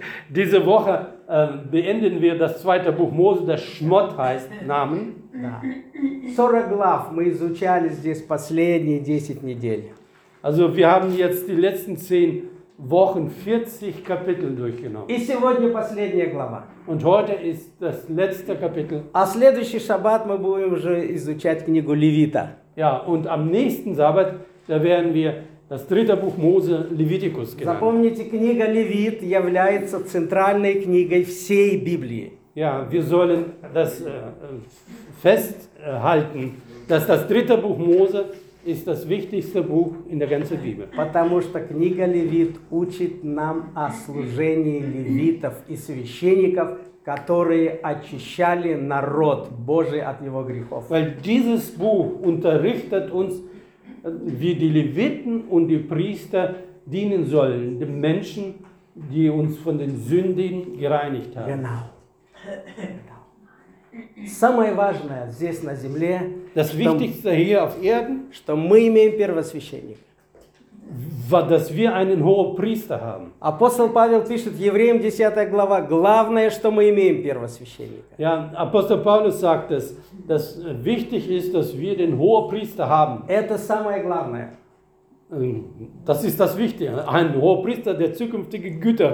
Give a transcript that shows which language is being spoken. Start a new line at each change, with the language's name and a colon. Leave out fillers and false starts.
German: Diese Woche beenden wir das zweite Buch Mose, das Шмот heißt, Namen.
Russian: Да. 40 глав мы изучали здесь последние 10 недель.
German: Also wir haben jetzt die letzten 10 Wochen 40 Kapitel durchgenommen.
Russian: И сегодня последняя глава.
German: Und heute ist das letzte Kapitel.
Russian: А следующий Шаббат мы будем уже изучать книгу Левита.
German: Ja, und am nächsten Sabbat, da werden wir das dritte Buch Mose, Leviticus, genannt.
Russian: Запомните, книга Левит является центральной книгой всей Библии.
German: Ja, wir sollen das festhalten, dass das dritte Buch Mose ist das wichtigste Buch in der ganzen Bibel.
Russian: Потому что книга Левит учит нам о служении левитов и священников, которые очищали народ Божий от его грехов.
German: Weil dieses Buch unterrichtet uns, wie die Leviten und die Priester dienen sollen, den Menschen, die uns von den Sünden gereinigt haben. Genau.
Russian: Самое важное здесь на земле,
German: das Wichtigste hier auf Erden,
Russian: что мы имеем первосвященника,
German: dass wir einen hohen Priester haben.
Russian: Апостол Павел пишет в Евреям 10 глава, главное, что мы имеем первосвященника.
German: Ja, Apostel Paulus sagt es, dass wichtig ist, dass wir den hohen Priester haben.
Russian: Это самое главное.
German: Das ist das Wichtige. Ein Hohepriester, der zukünftige Güter